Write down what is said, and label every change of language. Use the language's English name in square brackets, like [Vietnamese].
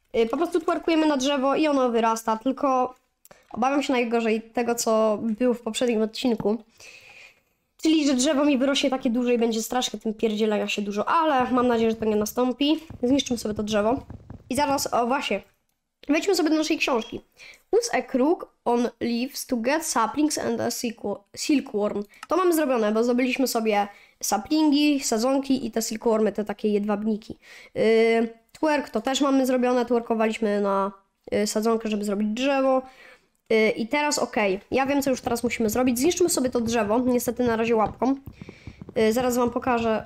[Polish] Po prostu twerkujemy na drzewo i ono wyrasta, tylko obawiam się najgorzej tego, co było w poprzednim odcinku. Czyli, że drzewo mi wyrośnie takie duże i będzie strasznie tym pierdzielenia się dużo, ale mam nadzieję, że to nie nastąpi. Zniszczymy sobie to drzewo. I zaraz, o właśnie, wejdźmy sobie do naszej książki. [English] Use a crook on leaves to get saplings and a silkworm. [Polish] To mamy zrobione, bo zdobyliśmy sobie saplingi, sadzonki i te silkwormy, te takie jedwabniki. Twerk to też mamy zrobione, twerkowaliśmy na sadzonkę, żeby zrobić drzewo. I teraz ok, ja wiem, co już teraz musimy zrobić. Zniszczymy sobie to drzewo, niestety na razie łapką. Zaraz wam pokażę.